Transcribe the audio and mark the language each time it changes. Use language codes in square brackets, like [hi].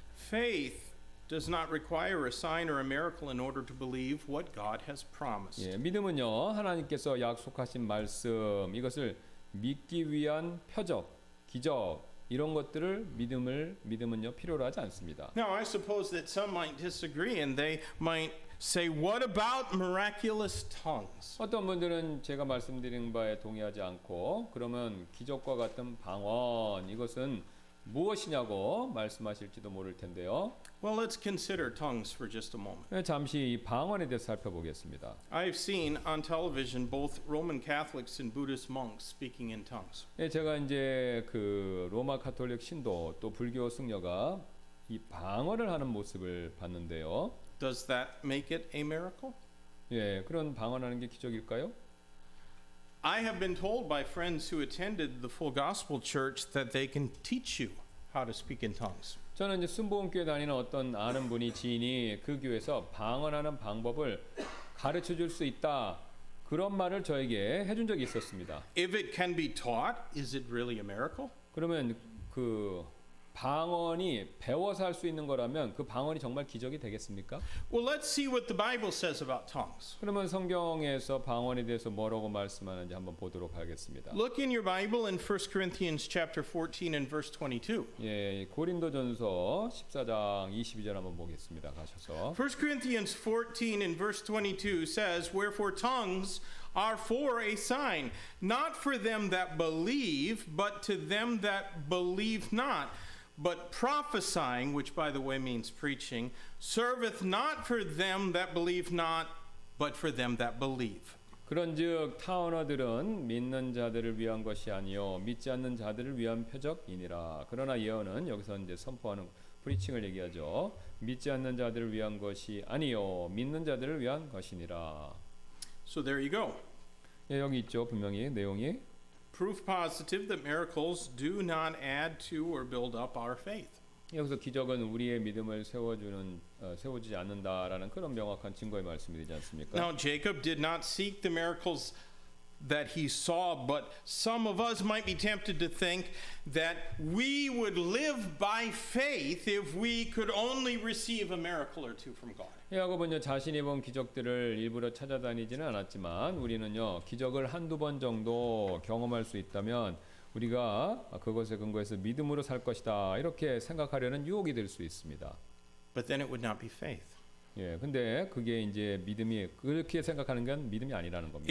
[en] Faith does not require a sign or a miracle in order to believe what God has promised. [ko] 예, 믿음은요 하나님께서 약속하신 말씀 이것을 믿기 위한 표적, 기적 이런 것들을 믿음은요 필요로 하지 않습니다. [en] Now I suppose that some might disagree and they might say what about miraculous tongues? [ko] 어떤 분들은 제가 말씀드린 바에 동의하지 않고 그러면 기적과 같은 방언 이것은 무엇이냐고 말씀하실지도 모를 텐데요. [en] Well, let's consider tongues for just a moment. [ko] 잠시 방언에 대해서 살펴보겠습니다. [en] I've seen on television both Roman Catholics and Buddhist monks speaking in tongues. [ko] 예, 제가 이제 그 로마 가톨릭 신도 또 불교 승려가 이 방언을 하는 모습을 봤는데요. [en] Does that make it a miracle? [ko] 예, 그런 방언하는 게 기적일까요? [en] I have been told by friends who attended the Full Gospel Church that they can teach you how to speak in tongues. [ko] 저는 이제 순복음교회 다니는 어떤 아는 분이 지인이 그 교회에서 방언하는 방법을 가르쳐 줄 수 있다. 그런 말을 저에게 해준 적이 있었습니다. [en] If it can be taught, is it really a miracle? [ko] 그러면 그 방언이 배워서 할 수 있는 거라면 그 방언이 정말 기적이 되겠습니까? [en] Well, let's see what the Bible says about tongues. [ko] 그러면 성경에서 방언에 대해서 뭐라고 말씀하는지 한번 보도록 하겠습니다. [en] Look in your Bible in 1 Corinthians chapter 14 and verse 22. [ko] 예, 고린도전서 14장 22절 한번 보겠습니다. 가셔서. [en] 1 Corinthians 14 and verse 22 says, "Wherefore tongues are for a sign, not for them that believe, but to them that believe not. But prophesying, which by the way means preaching, serveth not for them that believe not, but for them that believe." [ko] 그런즉 타언어들은 믿는 자들을 위한 것이 아니요 믿지 않는 자들을 위한 표적이니라. 그러나 예언은 여기서 이제 선포하는 프리칭을 얘기하죠. 믿지 않는 자들을 위한 것이 아니요 믿는 자들을 위한 것이니라. [en] So there you go. [ko] 예, 여기 있죠. 분명히 내용이. [en] Proof positive that miracles do not add to or build up our faith. [ko] 여기서 기적은 우리의 믿음을 세워주는 세워주지 않는다라는 그런 명확한 증거의 말씀이 되지 않습니까? [en] Now Jacob did not seek the miracles that he saw, but some of us might be tempted to think that we would live by faith if we could only receive a miracle or two from God. [ko] 야곱은요 자신이 본 기적들을 일부러 찾아다니지는 않았지만 우리는요 기적을 한두 번 정도 경험할 수 있다면 우리가 그것에 근거해서 믿음으로 살 것이다 이렇게 생각하려는 유혹이 될 수 있습니다. [en] But then it would not be faith. [ko] 예, 근데 그게 이제 믿음이 그렇게 생각하는 건 믿음이 아니라는 겁니다.